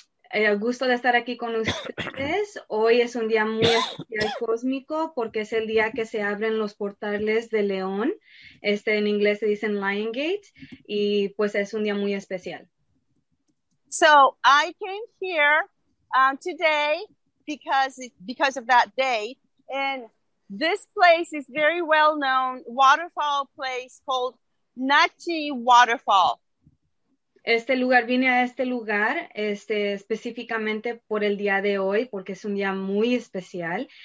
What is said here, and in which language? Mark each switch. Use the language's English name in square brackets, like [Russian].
[Spanish] El gusto de estar aquí con ustedes. Hoy es un día muy especial cósmico porque es el día que se abren los portales de León. En inglés se dicen Lion Gate, y pues es un día muy especial. [English] So I came here today because of that day, and this place is very well known waterfall place called Nachi Waterfall. [Spanish] Este lugar, vine a este lugar específicamente por el día de hoy, porque es un día muy especial.